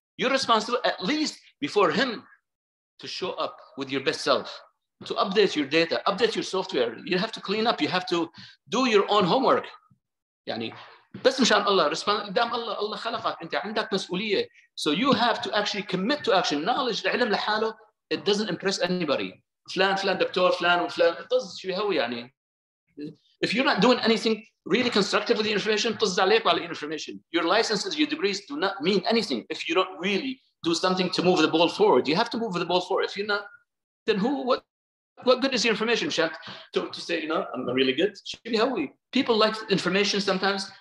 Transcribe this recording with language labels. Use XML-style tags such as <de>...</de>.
<en>You're responsible at least before Him to show up with your best self, to update your data, update your software. You have to clean up. You have to do your own homework.</en> <ar>Yani, بس مشان الله رسبان دام الله الله خلقك انت عندك مسؤولية.</ar> <en>So you have to actually commit to action. Knowledge,</en> <ar>العلم لحاله,</ar> <en>it doesn't impress anybody.</en> <ar>فلان فلان دكتور فلان وفلان طز شو هو يعني.</ar> <en>If you're not doing anything really constructive with the information,</en> <ar>طز عليك على</ar> <en>information. Your licenses, your degrees do not mean anything if you don't really do something to move the ball forward. You have to move the ball forward. If you're not, then who, what good is your information, Shant? To say, you know, I'm really good. People like information sometimes.</en>